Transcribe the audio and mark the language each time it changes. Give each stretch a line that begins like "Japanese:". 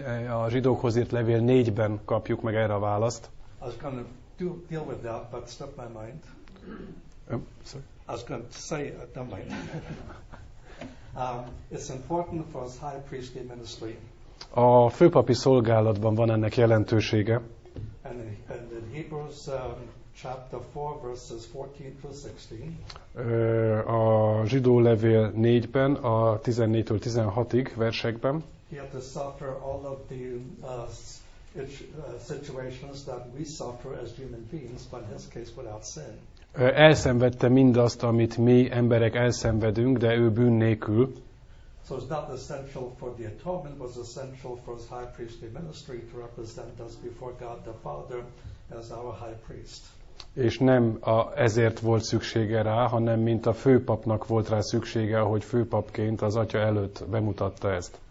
Hungarian: A zsidókhoz írt levél 4-ben kapjuk meg erre a választ.
English: I was going to deal with that, but stop my mind. Sorry. I was going to say, don't mind. It's important for his high priestly ministry.
Hungarian: A főpapi szolgálatban van ennek jelentősége.
English: And in Hebrews chapter 4 verses 14 to 16.
Hungarian: A zsidó levél 4-ben a 14-től 16-ig versekben.
English: He had to suffer all of the situations that we suffer as human beings, but in his case without sin.
Hungarian: Elszenvedte mindazt, amit mi emberek elszenvedünk, de ő bűn nélkül.
English: So it's not essential for the atonement, but it's essential for his high priestly ministry to represent us before God the Father as our high priest.
Hungarian: És nem ezért volt szüksége rá, hanem mint a főpapnak volt rá szüksége, hogy főpapként az atya előtt bemutatta ezt.